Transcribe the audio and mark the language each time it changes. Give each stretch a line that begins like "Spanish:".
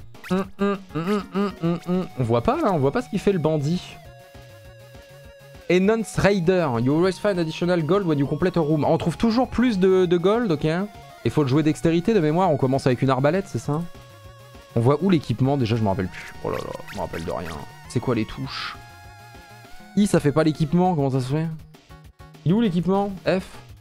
French: On voit pas là, on voit pas ce qu'il fait le bandit.
English: Enhanced Raider. You always find additional gold when you complete a room.
French: On trouve toujours plus de gold, ok. Il faut le jouer dextérité de mémoire, on commence avec une arbalète, c'est ça? On voit où l'équipement? Déjà, je m'en rappelle plus. Oh là là, je m'en rappelle de rien. C'est quoi les touches? I, ça fait pas l'équipement, comment ça se fait? Il est où l'équipement? F.